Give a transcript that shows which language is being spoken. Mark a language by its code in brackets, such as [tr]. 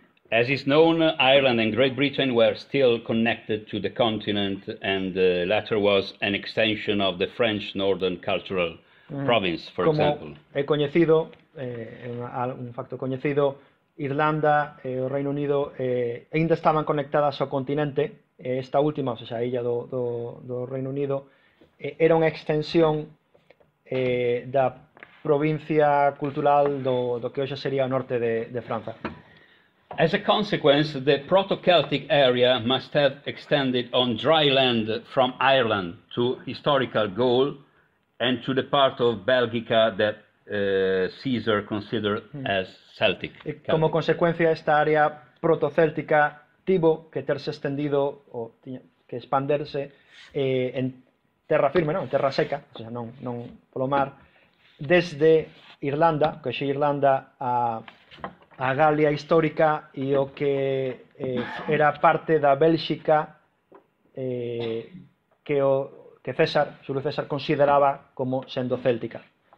[en] As is known, Ireland and Great Britain were still connected to the continent, and the latter was an extension of the French Northern Cultural Province, for [gl] como [en] example. [gl] Como é coñecido, un facto coñecido, Irlanda e o Reino Unido ainda estaban conectadas ao continente. Esta última, ou seja, a illa do Reino Unido, era unha extensión da provincia cultural do que hoxe sería o norte de Francia. [en] As a consequence, the proto-Celtic area must have extended on dry land from Ireland to historical Gaul and to the part of Belgica that Caesar considered as Celtic. [gl] Como consecuencia, esta área proto-céltica tivo que terse extendido ou tiña que expanderse en terra firme, non? En terra seca, o sea, non polo mar, desde Irlanda, que xa Irlanda, a Galia histórica e o que era parte da Bélxica que César, Xulio César, consideraba como sendo céltica.